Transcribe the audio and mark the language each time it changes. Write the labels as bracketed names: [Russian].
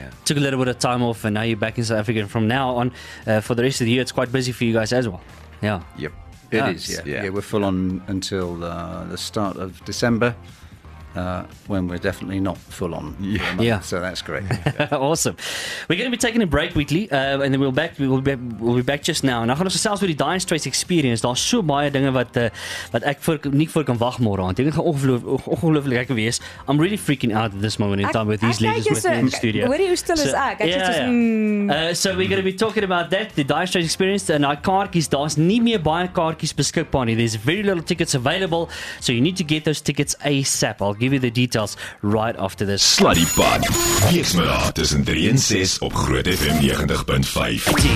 [English] Took a little bit of time off, and now you're back in South Africa. And from now on, for the rest of the year, it's quite busy for you guys as well. Yeah. Yep. It is. We're full on until the start of December, when we're definitely not full on. Yeah. So that's great. Awesome. We're going to be taking a break weekly, and then we'll be back just now. [Afrikaans] Nou gaan ons gesels oor die Dire Straits experience. Daar's so baie dinge wat ek nie kan wag môre aan. Dit gaan ongelooflik lekker wees. [English] I'm really freaking out at this moment in time with these legends with me in the studio. [Afrikaans] Hoor jy hoe stil is ek? [English] So we're going to be talking about that, the Dire Straits experience, and our kaartjies. [Afrikaans] Daar's nie meer baie kaartjies beskikbaar nie. [English] There's very little tickets available, so you need to get those tickets ASAP. I'll give you the details right after this. Slutty Pod. [Afrikaans] Wees my daar tussen 3 en 6 op Groot FM 90.5.